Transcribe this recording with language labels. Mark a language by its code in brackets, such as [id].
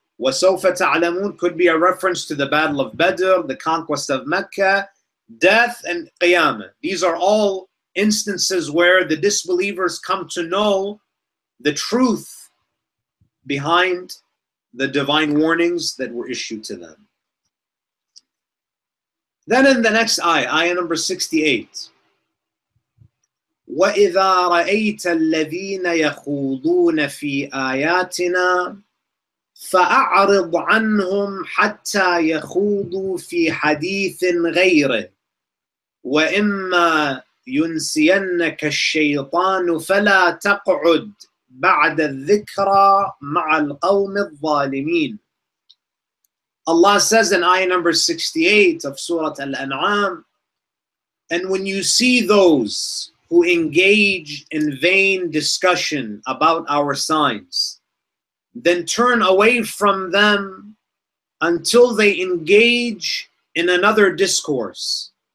[ar] وَسَوْفَ تَعْلَمُونَ [en] could be a reference to the Battle of Badr, the conquest of Mecca, death and Qiyamah. These are all instances where the disbelievers come to know the truth behind the divine warnings that were issued to them. Then in the next ayah number 68, [ar] وَإِذَا رَأَيْتَ الَّذِينَ يَخُوضُونَ فِي آيَاتِنَا فَأَعْرِضْ عَنْهُمْ حَتَّى يَخُوضُوا فِي حَدِيثٍ غَيْرِهِ وَإِمَّا يُنْسِيَنَّكَ الشَّيْطَانُ فَلَا تَقْعُدْ بَعْدَ الذِّكْرَى مَعَ الْقَوْمِ الظَّالِمِينَ. [en] Allah says in ayah number 68 of Surah Al-An'am, and when you see those who engage in vain discussion about our signs, then turn away from them until they engage in another discourse.